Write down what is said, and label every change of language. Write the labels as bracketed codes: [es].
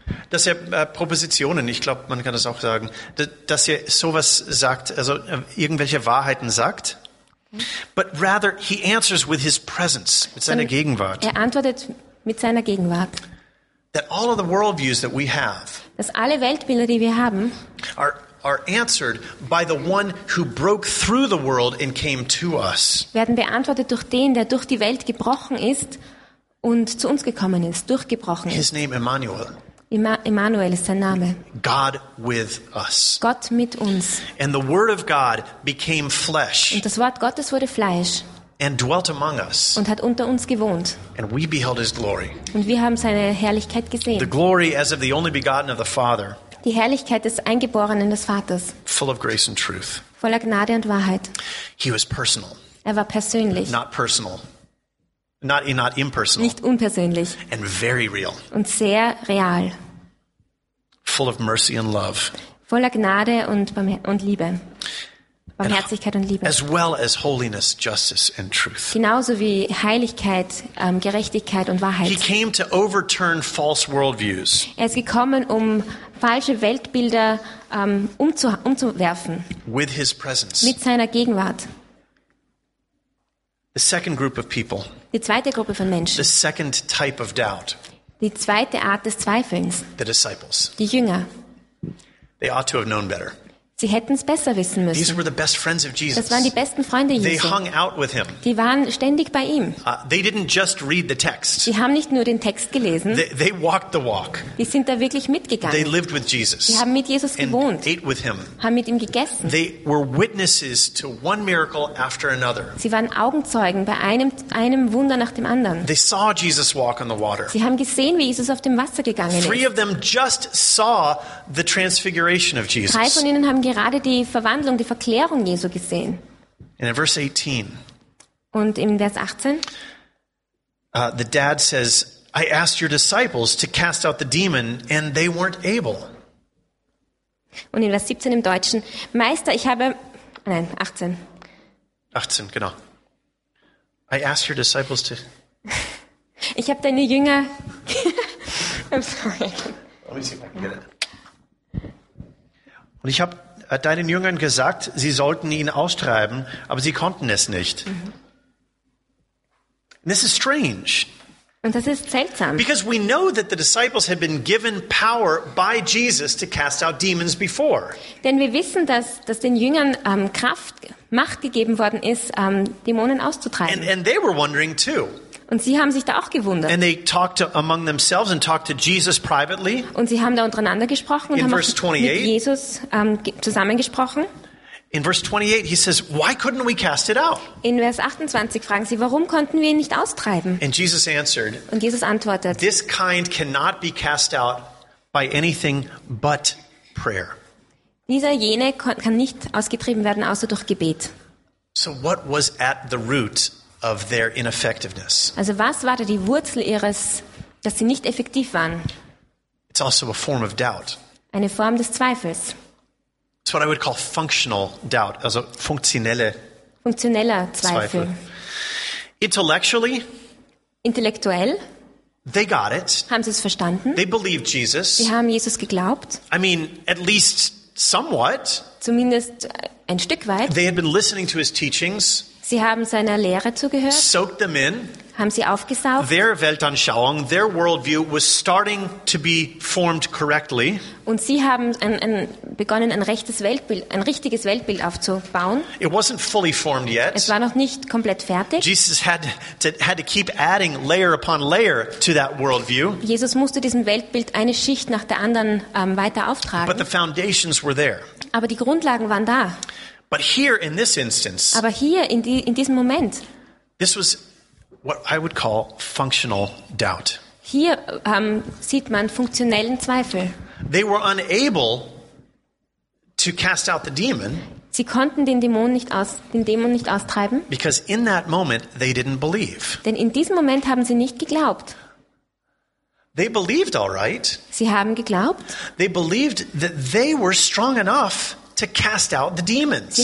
[de] dass er Propositionen, ich glaube, man kann das auch sagen, dass er sowas sagt, also irgendwelche Wahrheiten sagt. [en] But rather, he answers with his presence, [de] mit seiner Gegenwart. Er antwortet mit seiner Gegenwart. [en] That all of the worldviews that we have, [de] dass alle Weltbilder, die wir haben, [en] are answered by the one who broke through the world and came to us. [de] Werden beantwortet durch den, der durch die Welt gebrochen ist und zu uns gekommen ist, durchgebrochen ist. [en] His name Emmanuel. [de] Emmanuel ist sein Name. [en] God with us. [de] Gott mit uns. [en] And the Word of God became flesh. [de] Und das Wort Gottes wurde Fleisch. [en] And dwelt among us. [de] Und hat unter uns gewohnt. [en] And we beheld his glory. [de] Und wir haben seine Herrlichkeit gesehen. [en] The glory as of the only begotten of the Father. [de] Die Herrlichkeit des Eingeborenen des Vaters. [en] Full of grace and truth. [de] Voller Gnade und Wahrheit. [en] He was personal. [de] Er war persönlich. [en] Not personal. Not impersonal. [de] Nicht unpersönlich. [en] And very real. [de] Und sehr real. [en] Full of mercy and love. [de] Voller Gnade und Liebe. Barmherzigkeit und Liebe. [en] As well as holiness, justice and truth. [de] Genauso wie Heiligkeit, Gerechtigkeit und Wahrheit. [en] He came to overturn false worldviews. [de] Er ist gekommen, um falsche Weltbilder umzuwerfen. [en] With his presence. [de] Mit seiner Gegenwart. [en] The second group of people. [de] Die zweite Gruppe von Menschen. [en] The second type of doubt. [de] Die zweite Art des Zweifelns. [en] The disciples. [de] Die Jünger. [en] They ought to have known better. [de] Sie hätten es besser wissen müssen. [en] These were the best friends of Jesus. [de] Das waren die besten Freunde Jesu. [en] They hung out with him. [de] Die waren ständig bei ihm. [en] They didn't just read the text. [de] Sie haben nicht nur den Text gelesen. [en] They walked the walk. [de] Die sind da wirklich mitgegangen. [en] They lived with Jesus. [de] Sie haben mit Jesus gewohnt. [en] And ate with him. [de] Haben mit ihm gegessen. [en] They were witnesses to one miracle after another. [de] Sie waren Augenzeugen bei einem Wunder nach dem anderen. [en] They saw Jesus walk on the water. [de] Sie haben gesehen, wie Jesus auf dem Wasser gegangen ist. [en] Three of them just saw the transfiguration of Jesus. [de] Drei von ihnen haben gerade die Verwandlung, die Verklärung Jesu gesehen. In Vers 18. Und im Vers 18. [en] The dad says, I asked your disciples to cast out the demon and they weren't able. [de] Und in Vers 17 im Deutschen. Meister, ich habe... Nein, 18. 18, genau. [en] I asked your disciples to... [de] ich habe deine Jünger... [en] I'm sorry. [de] Und ich habe deinen Jüngern gesagt, sie sollten ihn austreiben, aber sie konnten es nicht. [en] Mm-hmm. This is strange. [de] Und das ist seltsam. [en] Because we know that the disciples had been given power by Jesus to cast out demons before. [de] Denn wir wissen, dass den Jüngern Kraft, Macht gegeben worden ist, Dämonen auszutreiben. [en] And they were wondering too. [de] Und sie haben sich da auch gewundert. [en] And they talked among themselves and talked to Jesus privately. [de] Und sie haben da untereinander gesprochen und in haben auch mit Jesus zusammengesprochen. [en] In verse 28 he says, why couldn't we cast it out? [de] In Vers 28 fragen sie, warum konnten wir ihn nicht austreiben? [en] And Jesus answered. [de] Und Jesus antwortet. [en] This kind cannot be cast out by anything but prayer. [de] Dieser jene kann nicht ausgetrieben werden außer durch Gebet. [en] So what was at the root of their ineffectiveness? [de] Also was war da die Wurzel ihres, dass sie nicht effektiv waren? [en] It's also a form of doubt. [de] Eine Form des Zweifels. [en] It's what I would call functional doubt, also [de] funktioneller Zweifel. [en] Intellectually? [de] Intellektuell? [en] They got it. [de] Haben sie es verstanden? [en] They believed Jesus. [de] Sie haben Jesus geglaubt. [en] I mean, at least somewhat. [de] Zumindest ein Stück weit. [en] They had been listening to his teachings. [de] Sie haben seiner Lehre zugehört. [en] Soaked them in. [de] Haben sie aufgesaugt. [en] Their Weltanschauung, their worldview was starting to be formed correctly. [de] Und sie haben begonnen, ein richtiges Weltbild aufzubauen. [en] It wasn't fully formed yet. [de] Es war noch nicht komplett fertig. [en] Jesus had to keep adding layer upon layer to that worldview. [de] Jesus musste diesem Weltbild eine Schicht nach der anderen weiter auftragen. [en] But the foundations were there. [de] Aber die Grundlagen waren da. [en] But here in this instance, [de] aber hier in diesem Moment, [en] this was what I would call functional doubt. [de] Hier sieht man funktionellen Zweifel. [en] They were unable to cast out the demon. [de] Sie konnten den Dämon nicht austreiben. [en] Because in that moment they didn't believe. [de] Denn in diesem Moment haben sie nicht geglaubt. [en] They believed, all right. [de] Sie haben geglaubt. [en] They believed that they were strong enough to cast out the demons.